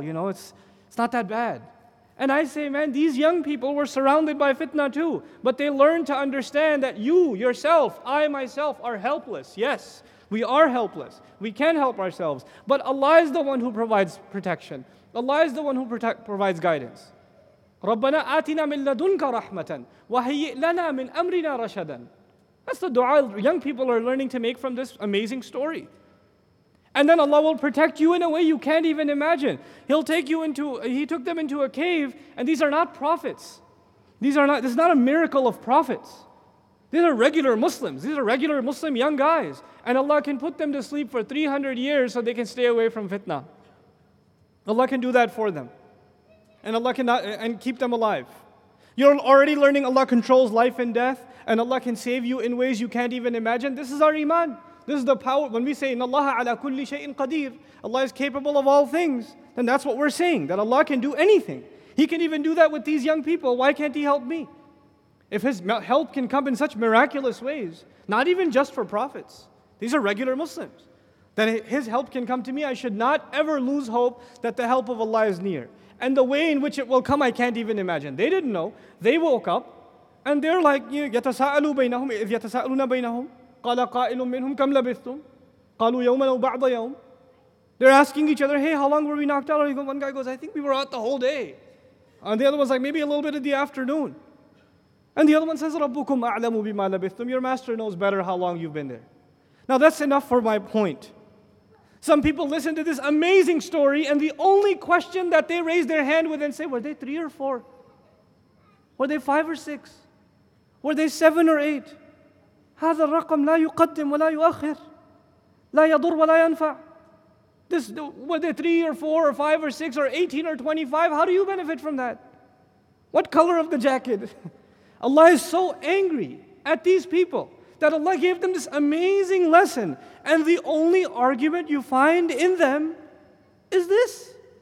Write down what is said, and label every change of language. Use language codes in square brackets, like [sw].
[en] It's not that bad. And I say, man, these young people were surrounded by fitna too. But they learned to understand that you, yourself, I myself are helpless. Yes, we are helpless. We can help ourselves. But Allah is the one who provides protection. Allah is the one who provides guidance. [ar] ربنا آتنا من لدنك رحمة وهيئ لنا من أمرنا رشدا. [en] That's the dua young people are learning to make from this amazing story. And then Allah will protect you in a way you can't even imagine. He'll take you into, He took them into a cave, and these are not prophets. This is not a miracle of prophets. These are regular Muslims. These are regular Muslim young guys. And Allah can put them to sleep for 300 years so they can stay away from fitna. Allah can do that for them. And Allah can keep them alive. You're already learning Allah controls life and death, and Allah can save you in ways you can't even imagine. This is our iman. This is the power. When we say, [ar] إِنَّ اللَّهَ عَلَى كُلِّ شَيْءٍ قَدِيرٍ, [en] Allah is capable of all things, then that's what we're saying, that Allah can do anything. He can even do that with these young people. Why can't He help me? If His help can come in such miraculous ways, not even just for prophets, these are regular Muslims, then His help can come to me. I should not ever lose hope that the help of Allah is near. And the way in which it will come, I can't even imagine. They didn't know. They woke up, and they're like, [ar] يَتَسَاءَلُوا بَيْنَهُمْ إِذْ يَتَسَاءَلُونَ بَيْنَهُمْ قَالَ قَائِلٌ مِّنْهُمْ كَمْ لَبِثْتُمْ قَالُوا يَوْمًا أَوْ بَعْضَ يَوْمٍ. [en] They're asking each other, hey, how long were we knocked out? One guy goes, I think we were out the whole day. And the other one's like, maybe a little bit of the afternoon. And the other one says, [ar] رَبُّكُمْ أَعْلَمُ بِمَا لَبِثْتُمْ. [en] Your master knows better how long you've been there. Now that's enough for my point. Some people listen to this amazing story, and the only question that they raise their hand with and say, were they 3 or 4? Were they 5 or 6? Were they 7 or 8? [ar] هذا الرقم لا يقدم ولا يؤخر لا يضر ولا ينفع. [en] This, were they 3 or 4 or 5 or 6 or 18 or 25? How do you benefit from that? What color of the jacket? Allah is so angry at these people that Allah gave them this amazing lesson, and the only argument you find in them is this.